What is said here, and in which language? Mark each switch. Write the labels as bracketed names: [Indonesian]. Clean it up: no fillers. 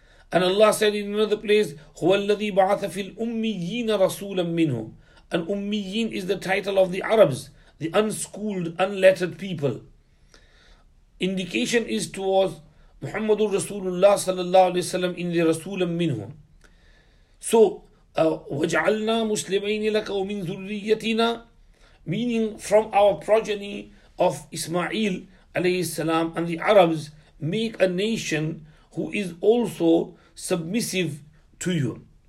[English] And Allah said in another place, [Arabic] هو الذي بعث في الأميين رسولا منهم. [English] And أميين is the title of the Arabs, the unschooled, unlettered people. Indication is towards محمد رسول الله صلى الله عليه وسلم in the [Arabic] رسولا منهم. [English] So, [Arabic] وجعلنا مسلمين لك ومن ذريتنا, [English] meaning from our progeny of Ismail alayhi salam, and the Arabs, make a nation who is also submissive to you.